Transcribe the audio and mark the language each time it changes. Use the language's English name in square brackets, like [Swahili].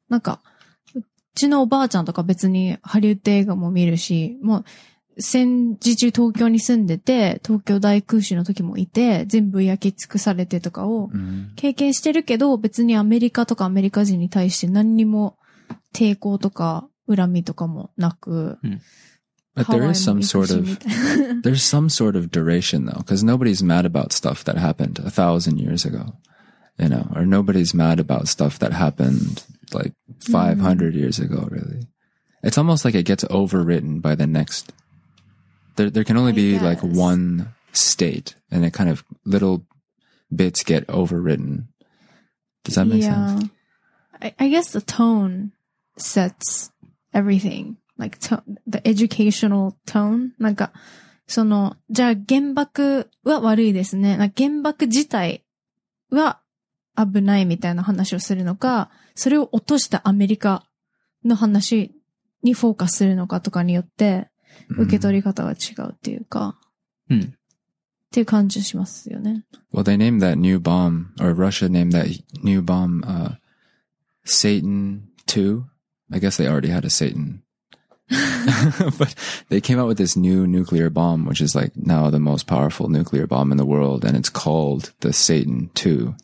[Japanese] なんか、うちのおばあちゃんとか別にハリウッド映画も見るし、もう戦時中東京に住んでて、東京大空襲の時もいて、全部焼き尽くされてとかを経験してるけど、別にアメリカとかアメリカ人に対して何にも抵抗とか恨みとかもなく、 [English] But there is some sort of, there's some sort of duration though, because nobody's mad about stuff that happened 1,000 years ago, you know, or nobody's mad about stuff that happened like 500 years ago, really. It's almost like it gets overwritten by the next, there can only be like one state and it kind of little bits get overwritten. Does that make sense? I guess the tone sets everything. Like, the educational tone? [Japanese] なんか、その、じゃあ原爆は悪いですね。なんか原爆自体は危ないみたいな話をするのか、それを落としたアメリカの話にフォーカスするのかとかによって、受け取り方が違うっていうか、っていう感じしますよね。 [English] Well, they named that new bomb, or Russia named that new bomb, Satan 2. I guess they already had a Satan. But they came out with this new nuclear bomb, which is like now the most powerful nuclear bomb in the world, and it's called the Satan 2.